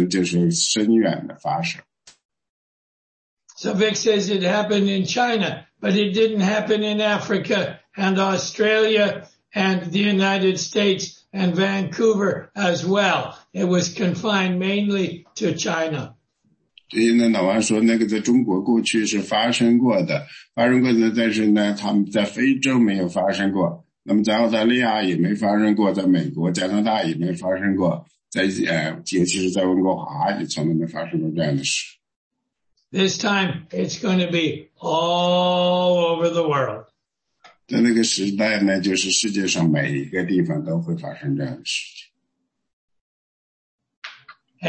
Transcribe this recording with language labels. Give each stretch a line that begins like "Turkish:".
Chinese: 所以呢，我们呢，看见过类似的情况发生，但是呢，从来没有像那个时候那样广泛的发生，就是深远的发生。
English: So Vic says it happened in China, but it didn't happen in Africa and Australia and the United States and Vancouver as well. It was confined mainly to China.
Chinese: 对，那老王说那个在中国过去是发生过的，发生过的，但是呢，他们在非洲没有发生过，那么在澳大利亚也没发生过，在美国、加拿大也没发生过，在尤其是在温哥华也从来没发生过这样的事。
English: This time it's going to be all over the world.
Chinese: 在那个时代呢，就是世界上每一个地方都会发生这样的事情。